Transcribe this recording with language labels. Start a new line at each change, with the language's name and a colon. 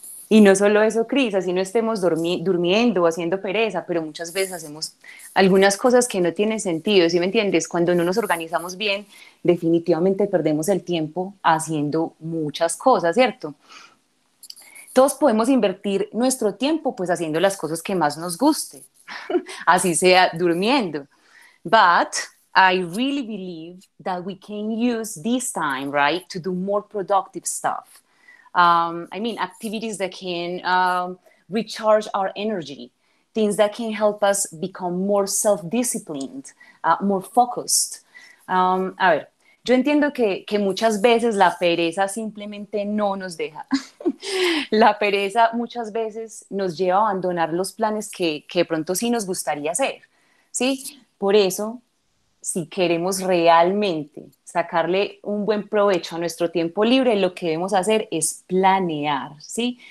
Spanish: Y no solo eso, Cris, así no estemos durmiendo o haciendo pereza, pero muchas veces hacemos algunas cosas que no tienen sentido, ¿sí me entiendes? Cuando no nos organizamos bien, definitivamente perdemos el tiempo haciendo muchas cosas, ¿cierto? Todos podemos invertir nuestro tiempo pues haciendo las cosas que más nos guste, así sea durmiendo.
English: But I really believe that we can use this time, right, to do more productive stuff. I mean, activities that can recharge our energy, things that can help us become more self-disciplined, more focused.
Spanish: A ver, yo entiendo que muchas veces la pereza simplemente no nos deja. La pereza muchas veces nos lleva a abandonar los planes que pronto sí nos gustaría hacer, ¿sí? Por eso, si queremos realmente sacarle un buen provecho a nuestro tiempo libre, lo que debemos hacer es planear, ¿sí?